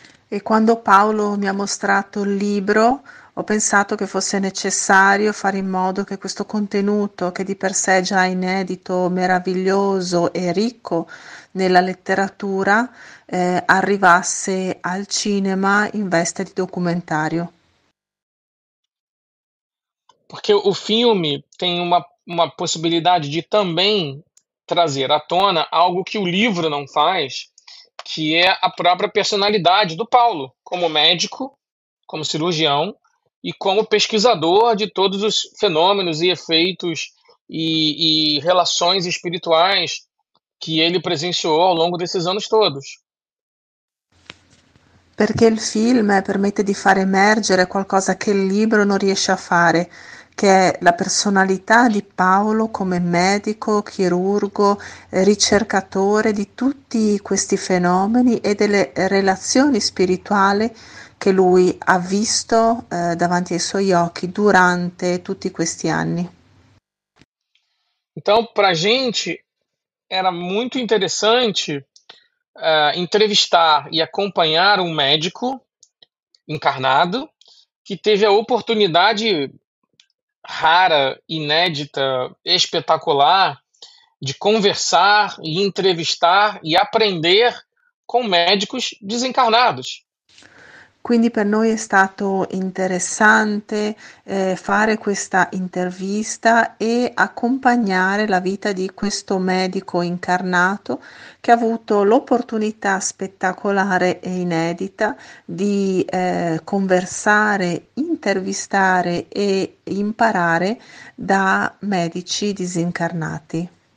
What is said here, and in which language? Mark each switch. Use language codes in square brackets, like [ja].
[it] E quando Paolo mi ha mostrato il libro, ho pensato che fosse necessario fare in modo che questo contenuto, che di per sé è già inedito, meraviglioso e ricco nella letteratura, arrivasse al cinema in veste di documentario. [pt] Porque o filme tem uma possibilidade de também trazer à tona algo que o livro não faz, que é a própria personalidade do Paulo, como médico, como cirurgião e como pesquisador de todos os fenômenos e efeitos e relações espirituais que ele presenciou ao longo desses anos todos. [it] Perché il film permette di far emergere qualcosa che il libro non riesce a fare, che è la personalità di Paolo come medico, chirurgo, ricercatore di tutti questi fenomeni e delle relazioni spirituali che lui ha visto, davanti ai suoi occhi durante tutti questi anni. [pt] Então, para a gente era muito interessante entrevistar e acompanhar um médico encarnado que teve a oportunidade rara, inédita, espetacular de conversar e entrevistar e aprender com médicos desencarnados. [it] Quindi per noi è stato interessante fare questa intervista e accompagnare la vita di questo medico incarnato che ha avuto l'opportunità spettacolare e inedita di conversare, intervistare e imparare da medici disincarnati.